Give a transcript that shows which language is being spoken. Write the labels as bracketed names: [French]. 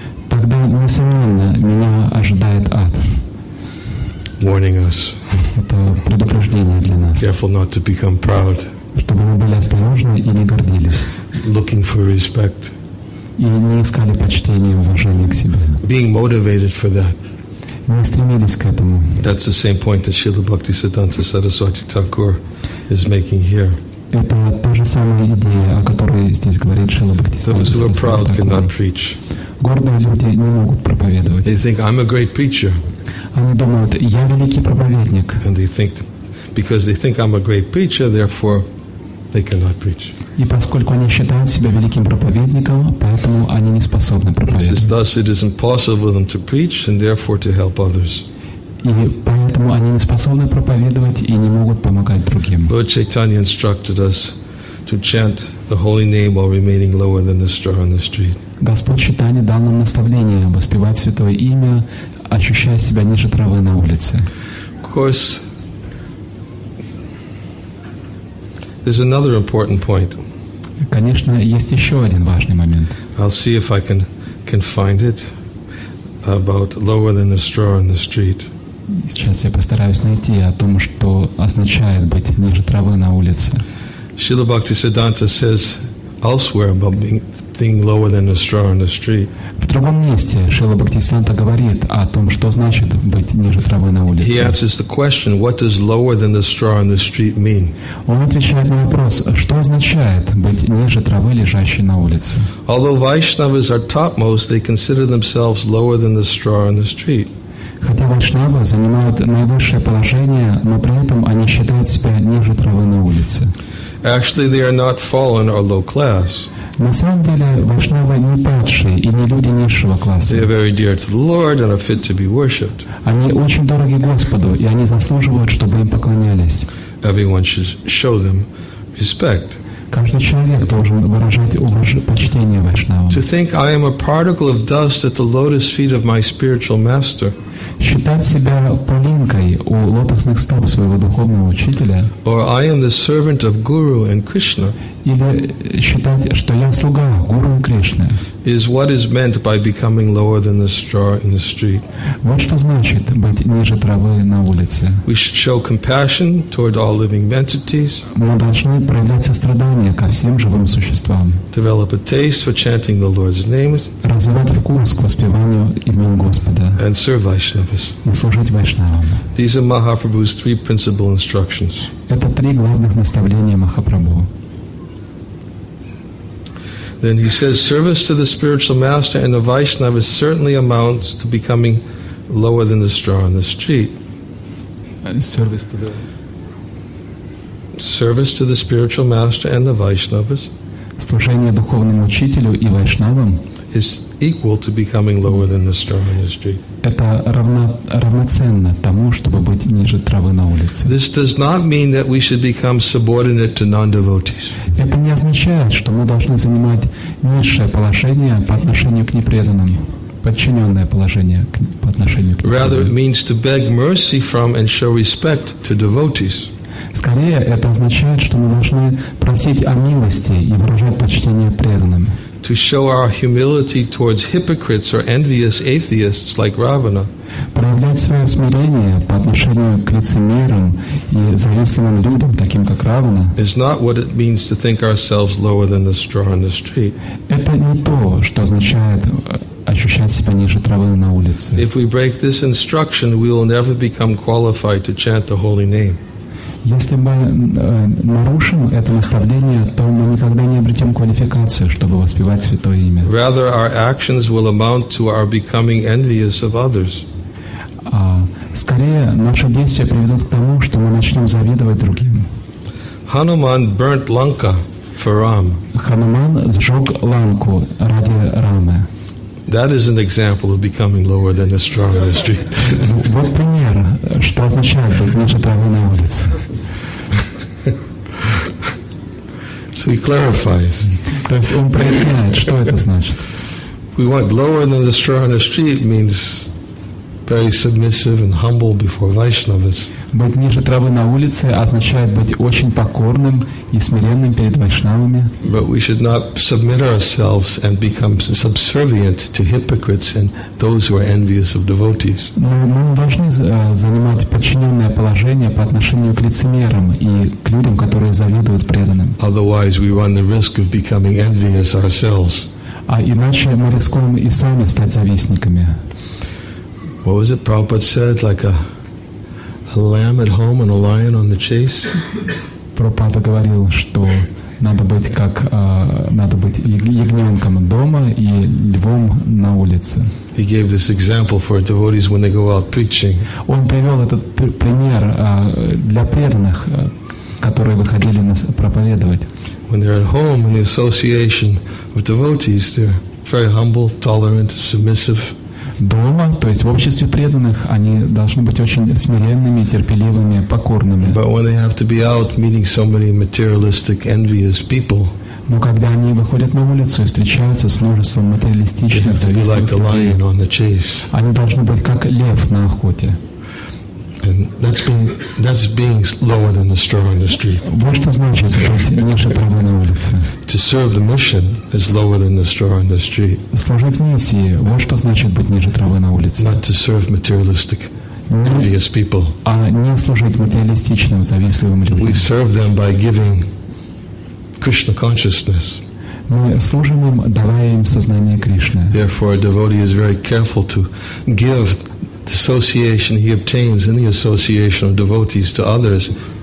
[Russian] Тогда, несомненно, меня ожидает ад. [English] Warning us. [Russian] Это предупреждение для нас. [English] Careful not to become proud. [Russian] Чтобы мы были осторожны и не гордились. [English] Looking for respect. [Russian] И не искали почтения и уважения к себе. [English] Being motivated for that. [Russian] Не стремились к этому. [English] That's the same point that Śrīla Bhaktisiddhānta Saraswati Thakur is making here. [Russian] Это та же самая идея, о которой здесь говорит Śrīla Bhaktisiddhānta Saraswati Thakur. [English] Those who are proud cannot preach. [Russian] Гордые люди не могут проповедовать. [English] They think I'm a great preacher. [Russian] Они думают, я великий проповедник. [English] And they think, because they think I'm a great preacher, therefore they cannot preach. [Russian] И поскольку они считают себя великим проповедником, поэтому они не способны проповедовать. [English] Says, thus it is impossible for them to preach and therefore to help others. [Russian] И поэтому они не способны проповедовать и не могут помогать другим. [English] Lord Chaitanya instructed us to chant the holy name while remaining lower than the straw on the street. [Russian] Господь Чайтанья дал нам наставление воспевать святое имя, ощущая себя ниже травы на улице. [English] Of course, there's another important point. [Russian] Конечно, есть еще один важный момент. [English] I'll see if I can find it about lower than a straw in the street. [Russian] Сейчас я постараюсь найти о том, что означает быть ниже травы на улице. [English] Śrīla Bhaktisiddhānta says elsewhere about being lower than a straw in the street. [Russian] В другом месте Шрила Бхактисиддханта говорит о том, что значит быть ниже травы на улице. [English] He answers the question, what does lower than the straw in the street mean? [Russian] Он отвечает на вопрос, что означает быть ниже травы, лежащей на улице. [English] Although Vaishnavas are topmost, they consider themselves lower than the straw in the street. [Russian] Хотя Вайшнавы занимают наивысшее положение, но при этом они считают себя ниже травы на улице. [English] Actually, they are not fallen or low class. [Russian] На самом деле, Вайшнавы не падшие и не люди низшего класса. [English] They are very dear to the Lord and are fit to be worshipped. [Russian] Они очень дороги Господу, и они заслуживают, чтобы им поклонялись. [English] Everyone should show them respect. [Russian] Каждый человек должен выражать почтение Вайшнавам. [English] To think I am a particle of dust at the lotus feet of my spiritual master. [Russian] Считать себя пылинкой у лотосных стоп своего духовного учителя. [English] Or I am the servant of Guru and Krishna. [Russian] Или считать, что я слуга Гуру и Кришны. [English] Is what is meant by becoming lower than the straw in the street. [Russian] Вот что значит быть ниже травы на улице. [English] We should show compassion toward all living entities. [Russian] Мы должны проявлять сострадание ко всем живым существам. [English] Develop a taste for chanting the Lord's name. [Russian] Развивать вкус к воспеванию имен Господа. [English] And serve Vaishnavas. [Russian] И служить Вайшнавам. [English] These are Mahaprabhu's three principal instructions. [Russian] Это три главных наставления Махапрабху. [English] Then he says, service to the spiritual master and a Vaishnava certainly amounts to becoming lower than the straw on the street. Service to the spiritual master and the Vaishnavas. [Russian] Служение духовному учителю и Вайшнавам. [English] Is equal to becoming lower than the straw on the street. [Russian] Это равноценно тому, чтобы быть ниже травы на улице. [English] This does not mean that we should become subordinate to non-devotees. [Russian] Это не означает, что мы должны занимать низшее положение по отношению к непреданным, подчиненное положение по отношению к непреданным. [English] Rather, it means to beg mercy from and show respect to devotees. [Russian] Скорее, это означает, что мы должны просить о милости и выражать почтение преданным. [English] To show our humility towards hypocrites or envious atheists like Ravana. [Russian] Проявлять свое смирение по отношению к лицемерам и завистливым людям, таким как Равана. [English] Is not what it means to think ourselves lower than the straw on the street. [Russian] Это не то, что означает ощущать себя ниже травы на улице. [English] If we break this instruction, we will never become qualified to chant the holy name. [Russian] Если мы нарушим это наставление, то мы никогда не обретем квалификации, чтобы воспевать Святое Имя. [English] Rather, our actions will amount to our becoming envious of others. [Russian] Скорее, наши действия приведут к тому, что мы начнем завидовать другим. [English] Hanuman burnt Lanka for Ram. [Russian] Хануман сжег Ланку ради Рамы. [English] That is an example of becoming lower than the straw in the street. [Russian] Вот пример, что означает быть ниже травы на улице. [English] So he clarifies. [Russian] То есть он проясняет, что это значит. [English] We want lower than the straw in the street means very submissive and humble before Vaishnavas. [Russian] Быть ниже травы на улице означает быть очень покорным и смиренным перед вайшнавами. [English] But we should not submit ourselves and become subservient to hypocrites and those who are envious of devotees. [Russian] Но мы не должны занимать подчиненное положение по отношению к лицемерам и к людям, которые завидуют преданным. [English] Otherwise, we run the risk of becoming envious ourselves. [Russian] А иначе мы рискуем и сами стать завистниками. [English] What was it Prabhupada said? Like a lamb at home and a lion on the chase? [Russian] Prabhupada говорил, что надо быть как надо быть ягненком дома и львом на улице. [English] He gave this example for devotees when they go out preaching. [Russian] Он привел этот пример для преданных, которые выходили нас проповедовать. [English] When they're at home in the association of devotees, they're very humble, tolerant, submissive. [Russian] Дома, то есть в обществе преданных, они должны быть очень смиренными, терпеливыми, покорными. [English] But when they have to be out meeting so many materialistic, envious people, [Russian] но когда они выходят на улицу и встречаются с множеством материалистичных, завистливых людей, они должны быть как лев на охоте. [English] And that's being lower than the straw in the street. [Russian] Вот что значит быть ниже травы на улице. [English] To serve the mission is lower than the straw in the street. [Russian] Служить миссии, вот что значит быть ниже травы на улице. [English] Not to serve materialistic, envious people. [Russian] А не служить материалистичным, завистливым людям. [English] We serve them by giving Krishna consciousness. [Russian] Мы служим им, давая им сознание Кришны. [English] Therefore, a devotee is very careful to give the association he obtains in the association of devotees to others.